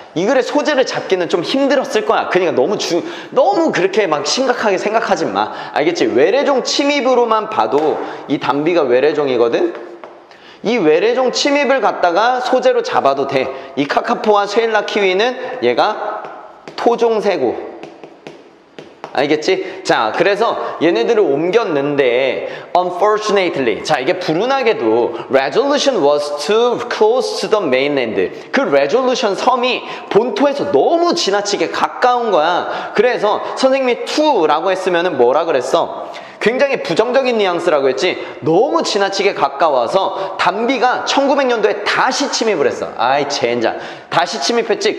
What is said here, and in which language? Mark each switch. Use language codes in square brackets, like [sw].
[ko] 이 글의 소재를 잡기는 좀 힘들었을 거야. 그러니까 너무 그렇게 막 심각하게 생각하지 마. 알겠지? 외래종 침입으로만 봐도 이 단비가 외래종이거든. 이 외래종 침입을 갖다가 소재로 잡아도 돼. 이 카카포와 쉐일라 키위는 얘가 토종새고. 알겠지? 자, 그래서 얘네들을 옮겼는데 [en] unfortunately, [ko] 자, 이게 불운하게도 [en] resolution was too close to the mainland. [ko] 그 resolution 섬이 본토에서 너무 지나치게 가까운 거야. 그래서 선생님이 too라고 했으면 뭐라 그랬어? 굉장히 부정적인 뉘앙스라고 했지. 너무 지나치게 가까워서 단비가 1900년도에 다시 침입을 했어. 아이 젠장. 다시 침입했지.